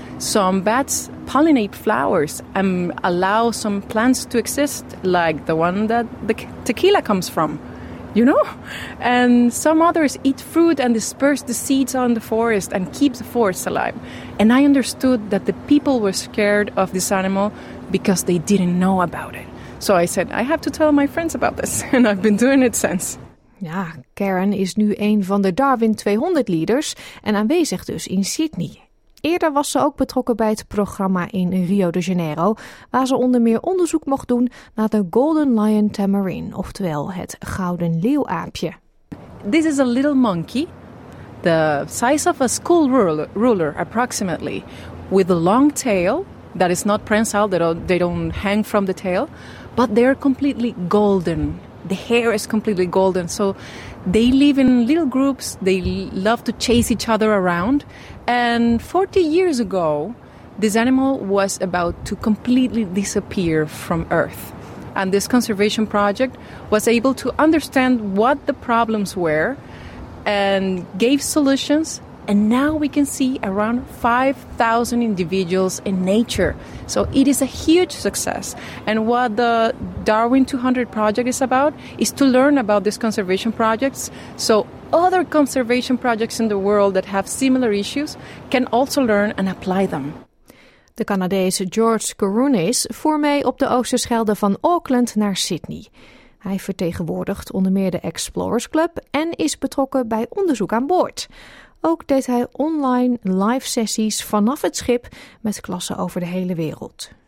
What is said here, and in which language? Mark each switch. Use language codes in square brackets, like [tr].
[en] Some bats pollinate flowers and allow some plants to exist, like the one that the tequila comes from, you know? And some others eat fruit and disperse the seeds on the forest and keep the forest alive. And I understood that the people were scared of this animal because they didn't know about it. So I said, I have to tell my friends about this. And I've been doing it since. [nl] Ja, Karen is nu een van de Darwin 200 leaders en aanwezig dus in Sydney. Eerder was ze ook betrokken bij het programma in Rio de Janeiro, waar ze onder meer onderzoek mocht doen naar de Golden Lion Tamarin, oftewel het gouden leeuwaapje. [en] This is a little monkey, the size of a school ruler approximately, with a long tail that is not prensile, they don't hang from the tail, but they're completely golden. The hair is completely golden, so they live in little groups. They love to chase each other around. And 40 years ago, this animal was about to completely disappear from Earth. And this conservation project was able to understand what the problems were and gave solutions. And now we can see around 5,000 individuals in nature. So it is a huge success. And what the Darwin 200 project is about is to learn about these conservation projects so other conservation projects in the world that have similar issues can also learn and apply them. [nl] De Canadese George Corunis voer mee op de Oosterschelde van Auckland naar Sydney. Hij vertegenwoordigt onder meer de Explorers Club en is betrokken bij onderzoek aan boord. Ook deed hij online live sessies vanaf het schip met klassen over de hele wereld.